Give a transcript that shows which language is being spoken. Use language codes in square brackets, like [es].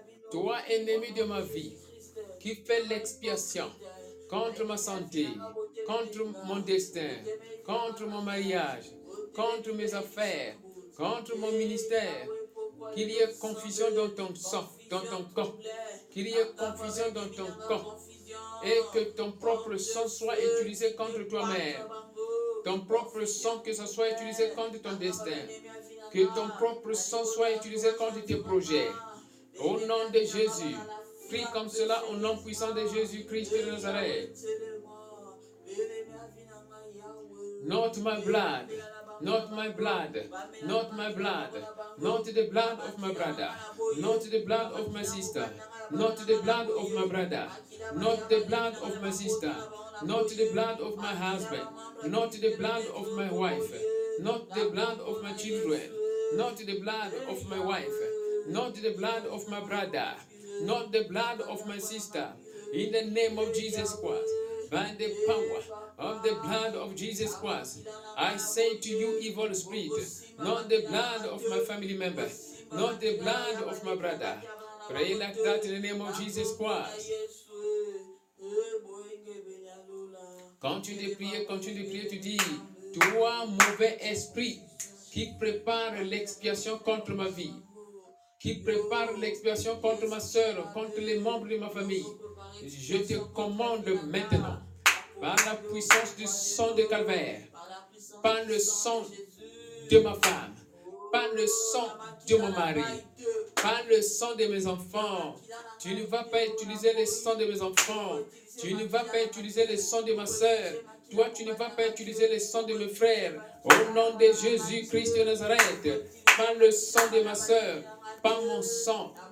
[fr] Toi, ennemi de ma vie, qui fait l'expiation contre ma santé, contre mon destin, contre mon mariage, contre mes affaires, contre mon ministère, qu'il y ait confusion dans ton sang, dans ton corps, qu'il y ait confusion dans ton corps, et que ton propre sang soit utilisé contre toi-même, ton propre sang, que ce soit utilisé contre ton destin, que ton propre sang soit utilisé contre tes projets. Au nom de Jésus, prie comme cela au nom puissant de Jésus-Christ de Nazareth. [en] Not my blood, not my blood, not my blood, not the blood of my brother, not the blood of my sister, not the blood of my brother, not the blood of my sister, not the blood of my husband, not the blood of my wife, not the blood of my children, not the blood of my wife, not the blood of my brother, not the blood of my sister, in the name of Jesus Christ, by the power of the blood of Jesus Christ, I say to you, evil spirit, not the blood of my family member, not the blood of my brother. Pray like that in the name of Jesus Christ. [fr] Continue de prier, tu dis, toi, mauvais esprit, qui prépare l'expiation contre ma vie, qui prépare l'expiation contre ma sœur, contre les membres de ma famille. Je te commande maintenant, par la puissance du sang de Calvaire, par le sang de ma femme, par le sang de mon mari, par le sang de mes enfants, tu ne vas pas utiliser le sang de mes enfants, tu ne vas pas utiliser le sang de ma sœur, toi tu ne vas pas utiliser le sang de mes frères, au nom de Jésus-Christ de Nazareth, par le sang de ma sœur, par mon sang,